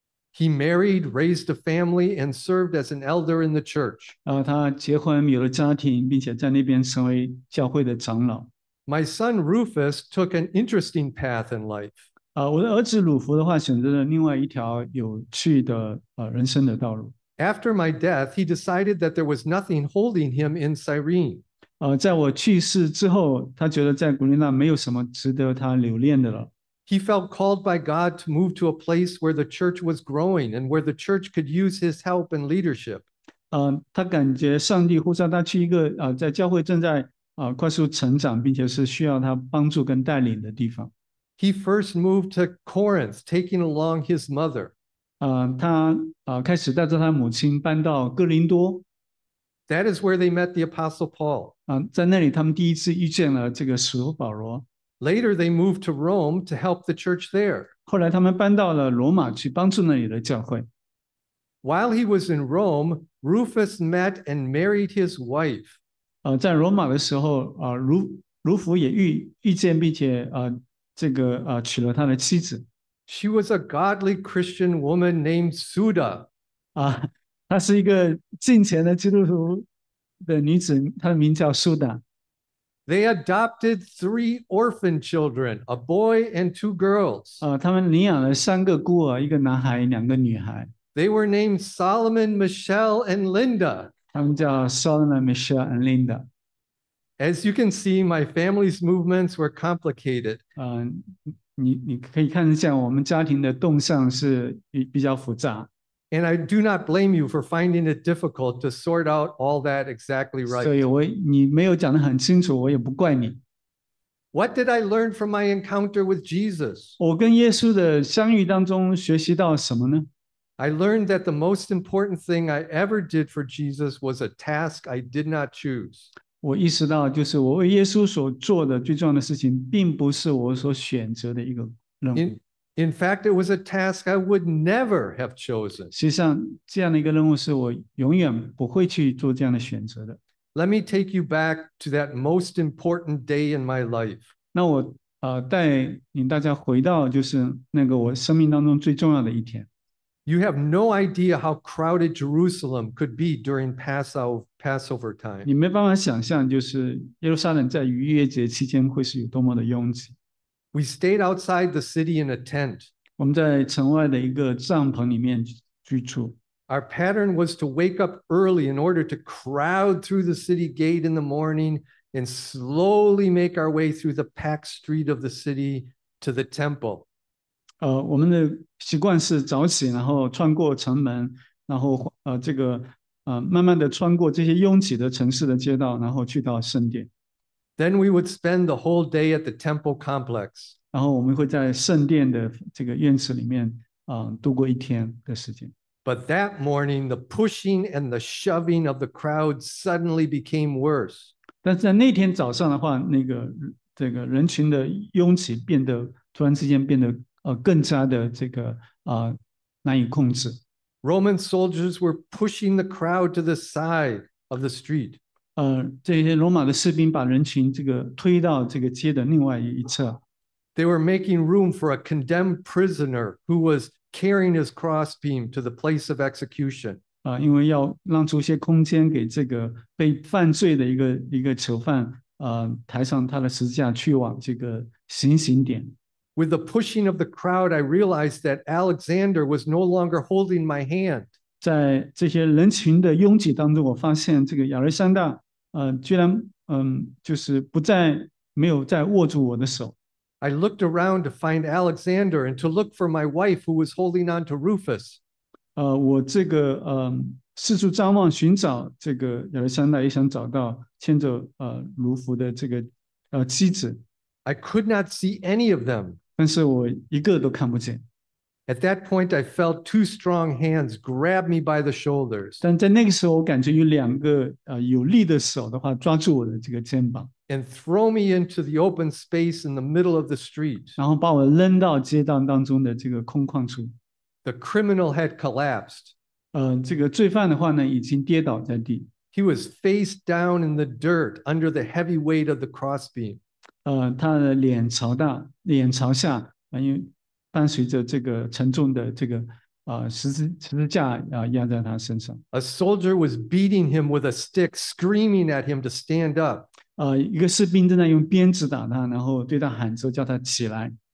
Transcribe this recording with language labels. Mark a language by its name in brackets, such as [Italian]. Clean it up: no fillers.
[English] He married, raised a family, and served as an elder in the church. [Chinese] 他结婚有了家庭，并且在那边成为教会的长老。 [English] My son Rufus took an interesting path in life. [Chinese] 我的儿子鲁弗的话选择了另外一条有趣的人生的道路。 [English] After my death, he decided that there was nothing holding him in Cyrene. [Chinese] 在我去世之后，他觉得在古利奈没有什么值得他留恋的了。 [English] He felt called by God to move to a place where the church was growing and where the church could use his help and leadership. [Chinese] 他感觉上帝呼召他去一个在教会正在快速成长，并且是需要他帮助跟带领的地方。 [English] He first moved to Corinth, taking along his mother. [Chinese] 他开始带着他母亲搬到哥林多。 [English] That is where they met the Apostle Paul. [Chinese] 在那里他们第一次遇见了这个使徒保罗。 [English] Later, they moved to Rome to help the church there. [Chinese] 后来他们搬到了罗马去帮助那里的教会。 [English] While he was in Rome, Rufus met and married his wife. [Chinese] 在罗马的时候，卢浮也遇见并且这个娶了他的妻子。 [English] She was a godly Christian woman named Suda. [Chinese] 她是一个敬虔的基督徒的女子，她的名叫苏达。 [English] They adopted three orphan children, a boy and two girls. [Chinese] 他们领养了三个孤儿，一个男孩，两个女孩。 [English] They were named Solomon, Michelle, and Linda. [Chinese] 他们叫 Solomon, Michelle, and Linda. [English] As you can see, my family's movements were complicated. [Chinese] 你可以看一下我们家庭的动向是比较复杂。 [English] And I do not blame you for finding it difficult to sort out all that exactly right. [Chinese] 所以你没有讲得很清楚，我也不怪你。 [English] What did I learn from my encounter with Jesus? [Chinese] 我跟耶稣的相遇当中学习到什么呢？ [English] I learned that the most important thing I ever did for Jesus was a task I did not choose. [Chinese] 我意识到就是我为耶稣所做的最重要的事情并不是我所选择的一个任务。 [English] In fact, it was a task I would never have chosen. [Chinese] 实际上，这样的一个任务是我永远不会去做这样的选择的。 [English] Let me take you back to that most important day in my life. [Chinese] 那我带领大家回到就是那个我生命当中最重要的一天。 [English] You have no idea how crowded Jerusalem could be during Passover time. [Chinese] 你没办法想象就是耶路撒冷在逾越节期间会是有多么的拥挤。 [English] We stayed outside the city in a tent. [Chinese] 我们在城外的一个帐篷里面居住。 [English] Our pattern was to wake up early in order to crowd through the city gate in the morning and slowly make our way through the packed street of the city to the temple. [Chinese] 我们的习惯是早起，然后穿过城门，然后这个慢慢的穿过这些拥挤的城市的街道，然后去到圣殿。 [English] Then we would spend the whole day at the temple complex. [Chinese] 然后我们会在圣殿的这个院子里面，度过一天的时间。 [English] But that morning, the pushing and the shoving of the crowd suddenly became worse. [Chinese] 但是在那天早上的话，那个这个人群的拥挤变得突然之间变得更加的这个难以控制。 [English] Roman soldiers were pushing the crowd to the side of the street. [Chinese] 这些罗马的士兵把人群这个推到这个街的另外一侧。 [English] They were making room for a condemned prisoner who was carrying his crossbeam to the place of execution. [Chinese] 因为要让出一些空间给这个被犯罪的一个囚犯，抬上他的十字架去往这个行刑点。 [English] With the pushing of the crowd, I realized that Alexander was no longer holding my hand. [Chinese] 在这些人群的拥挤当中，我发现这个亚历山大，居然，就是不再没有再握住我的手。 [English] I looked around to find Alexander and to look for my wife who was holding on to Rufus. [Chinese] 我这个四处张望寻找这个亚历山大，也想找到牵着卢浮的这个妻子。 [English] I could not see any of them. [Chinese] 但是我一个都看不见。 [English] At that point, I felt two strong hands grab me by the shoulders. [Chinese] 但在那个时候，我感觉有两个有力的手的话抓住我的这个肩膀。 [English] And throw me into the open space in the middle of the street. [Chinese] 然后把我扔到街道当中的这个空旷处。 [English] The criminal had collapsed. [Chinese] 这个罪犯的话呢，已经跌倒在地。 [English] He was face down in the dirt under the heavy weight of the crossbeam. [Chinese] 他的脸朝下，因为伴随着这个沉重的这个十字架压在他身上。 [English] A soldier was beating him with a stick, screaming at him to stand up. [Chinese] 一个士兵正在用鞭子打他，然后对他喊着叫他起来。